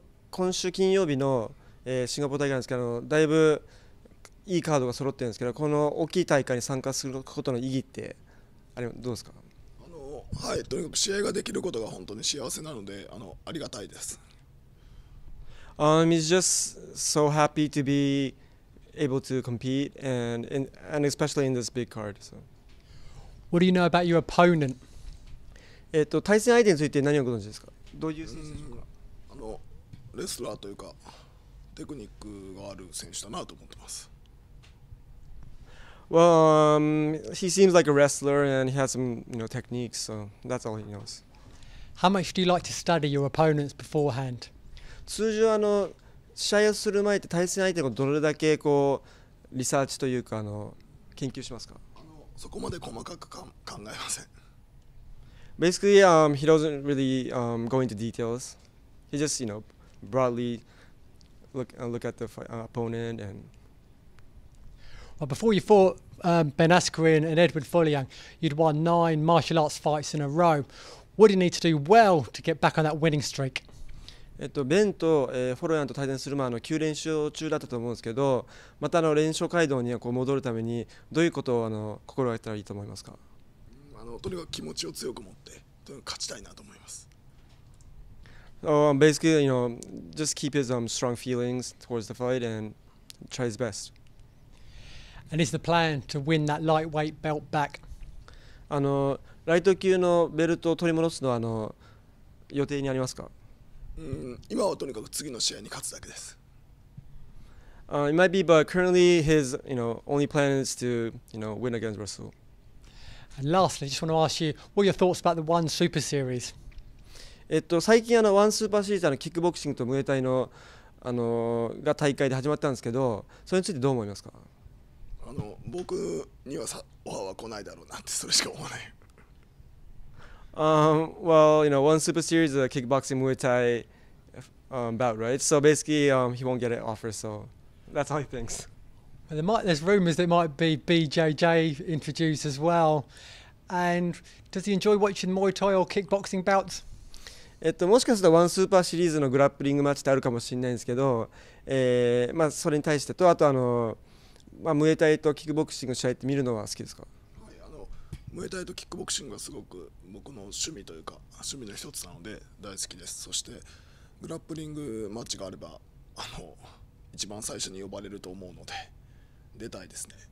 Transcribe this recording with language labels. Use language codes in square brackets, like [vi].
[ja] 今週金曜日の、シンガポール大会なんですけど、だいぶいいカードが揃ってるんですけど、この大きい大会に参加することの意義ってあれどうですか？はい、とにかく試合ができることが本当に幸せなので、ありがたいです。 [en] He's just so happy to be able to compete and especially in this big card. So. What do you know about your opponent? [ja] 対戦相手について何をご存知ですか？どういう選手ですか？レスラーというかテクニックがある選手だなと思ってます。 [en] Well, he seems like a wrestler and he has some, techniques, so that's all he knows. How much do you like to study your opponents beforehand? [ja] 通常試合をする前って対戦相手をどれだけこうリサーチというか研究しますか？そこまで細かく考えません。 [en] Basically, he doesn't really go into details. He just, broadly look at the opponent and Well, before you fought Ben Askren and Edward Foliang, you'd won 9 martial arts fights in a row. What do you need to do well to get back on that winning streak? [ja] ベンと、フォロヤンと対戦する前の9連勝中だったと思うんですけど、また連勝街道にこう戻るためにどういうことを心がけたらいいと思いますか？とにかく気持ちを強く持って、とにかく勝ちたいなと思います。 [en] Basically, just keep his strong feelings towards the fight and try his best. And is the plan to win that lightweight belt back? [ja] ライト級のベルトを取り戻すのは予定にありますか？今はとにかく次の試合に勝つだけです。 [en] It might be, but currently his, only plan is to, win against Russell. And lastly, I just want to ask you, what are your thoughts about the One Super Series? [ja] 最近One Super Series はキックボクシングとムエタイのが大会で始まったんですけど、それについてどう思いますか？僕にはオファーは来ないだろうなってそれしか思わない。 [en] One Super Series is a kickboxing Muay Thai bout, right? So basically, he won't get an offer, so that's how he thinks. There's rumors there might be BJJ introduced as well. And does he enjoy watching Muay Thai or kickboxing bouts? [ja] もしかするとOne Super Series のグラップリングマッチってあるかもしれないんですけど、それに対してと、あとムエタイとキックボクシングの試合って見るのは好きですか？はい、ムエタイとキックボクシングはすごく僕の趣味というか趣味の一つなので大好きです。そしてグラップリングマッチがあれば一番最初に呼ばれると思うので出たいですね。